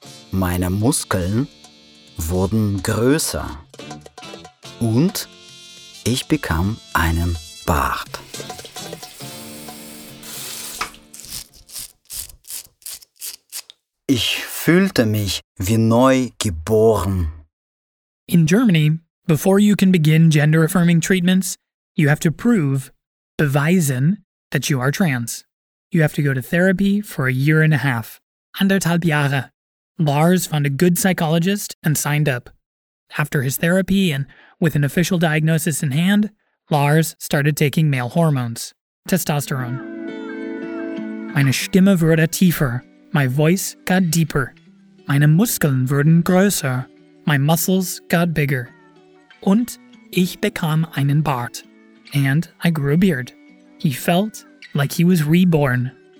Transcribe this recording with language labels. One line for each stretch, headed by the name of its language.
German: Meine Muskeln wurden größer. Und ich bekam einen Bart. Ich fühlte mich wie neu geboren.
English: In Germany, before you can begin gender-affirming treatments, you have to prove, beweisen, that you are trans. You have to go to therapy for 1.5 years.
German: 1,5 Jahre.
English: Lars found a good psychologist and signed up. After his therapy and with an official diagnosis in hand, Lars started taking male hormones, testosterone.
German: Meine Stimme wurde tiefer.
English: My voice got deeper.
German: Meine Muskeln wurden größer.
English: My muscles got bigger.
German: Und ich bekam einen Bart.
English: And I grew a beard. He felt like he was reborn.